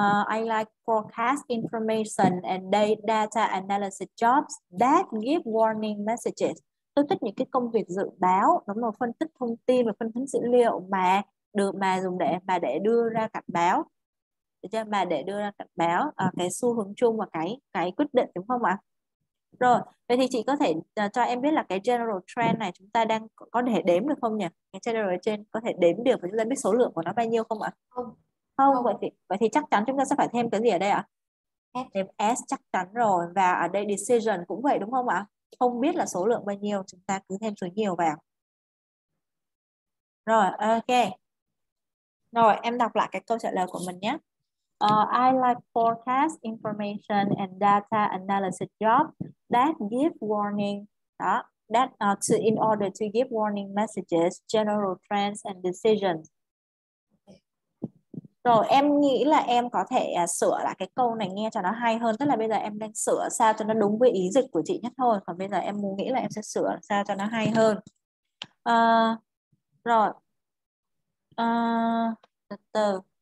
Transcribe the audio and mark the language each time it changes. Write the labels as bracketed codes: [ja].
[en] I like forecast information and data analysis jobs that give warning messages. [vi] Tôi thích những cái công việc dự báo, đúng không? Phân tích thông tin và phân tích dữ liệu mà được mà dùng để mà để đưa ra cảnh báo. Được chưa? Mà để đưa ra cảnh báo cái xu hướng chung và cái quyết định, đúng không ạ? Rồi, vậy thì chị có thể cho em biết là cái general trend này chúng ta đang có thể đếm được không nhỉ? Cái general trend có thể đếm được và chúng ta biết số lượng của nó bao nhiêu không ạ? Không. Không, vậy thì chắc chắn chúng ta sẽ phải thêm cái gì ở đây ạ? Thêm S chắc chắn rồi. Và ở đây decision cũng vậy đúng không ạ? Không biết là số lượng bao nhiêu, chúng ta cứ thêm số nhiều vào. Rồi, ok. Rồi, em đọc lại cái câu trả lời của mình nhé. [en] I like forecast information and data analysis job that give warning. Đó, that to in order to give warning messages, general trends and decisions. [vi] Rồi em nghĩ là em có thể sửa lại cái câu này nghe cho nó hay hơn. Tức là bây giờ em đang sửa sao cho nó đúng với ý dịch của chị nhất thôi. Còn bây giờ em muốn nghĩ là em sẽ sửa sao cho nó hay hơn. Rồi. Từ từ.